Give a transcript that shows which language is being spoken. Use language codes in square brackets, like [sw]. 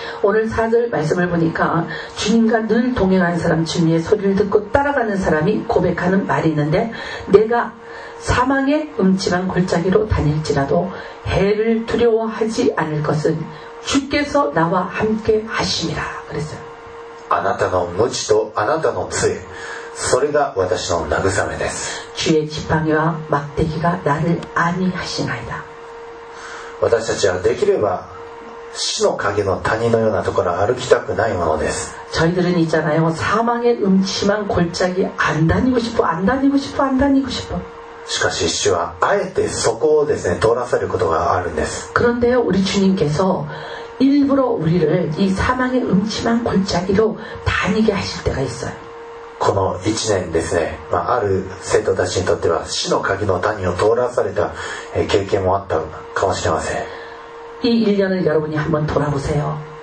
[ko] 오늘4절말씀을보니까주님과늘동행하는사람주님의소리를듣고따라가는사람이고백하는말이있는데내가사망의음침한골짜기로다닐지라도해를두려워하지않을것은주께서나와함께하십니다그랬어요 [ja] あなたの無知とあなたの杖それが私の慰めです。 [ko] 주의지팡이와막대기가나를안위하시나이다。 [ja] 私たちはできれば死の影の谷のようなところを歩きたくないものです。 [ko] 저희들은있잖아요사망의음침한골짜기안다니고싶어안다니고싶어안다니고싶어 [ja] しかし主はあえてそこをですね通らせることがあるんです。 [ko] 그런데요우리주님께서일부러우리를이사망의음침한골짜기로다니게하실때가있어요。 [ja] この1年ですね、まあ、ある生徒たちにとっては死の鍵の谷を通らされた経験もあったかもしれません。 [ko] 이1년을여러분이한번돌아보세요。